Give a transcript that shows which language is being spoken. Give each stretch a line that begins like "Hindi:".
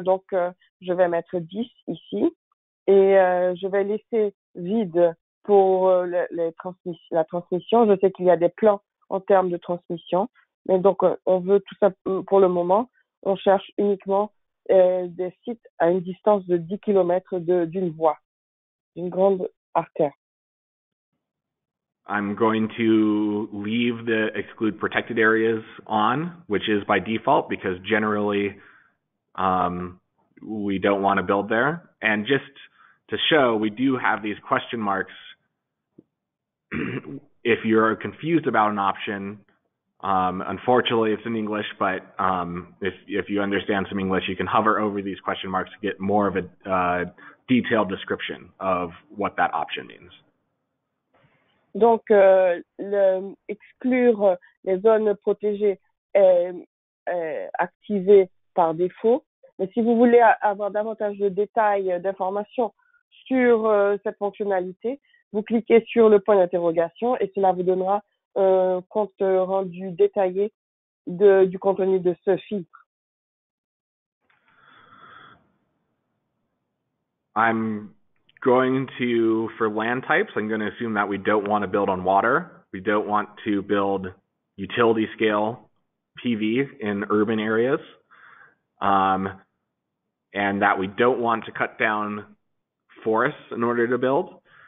French: Donc, je vais mettre 10 ici et je vais laisser vide pour la transmission. Je sais qu'il y a des plans en termes de transmission, mais donc on veut tout ça pour le moment. On cherche uniquement des sites à une distance de 10 km d'une voie, d'une grande artère.
English: I'm going to leave the exclude protected areas on, which is by default, because generally we don't want to build there. And just to show, we do have these question marks. If you're confused about an option, unfortunately it's in English, but if you understand some English, you can hover over these question marks to get more of a detailed description of what that option means.
French: Donc, exclure les zones protégées est activé par défaut. Mais si vous voulez avoir davantage de détails, d'informations sur cette fonctionnalité, vous cliquez sur le point d'interrogation et cela vous donnera un compte rendu détaillé du contenu de ce filtre.
English: For land types, I'm going to assume that we don't want to build on water. We don't want to build utility scale PV in urban areas. And that we don't want to cut down forests in order to build.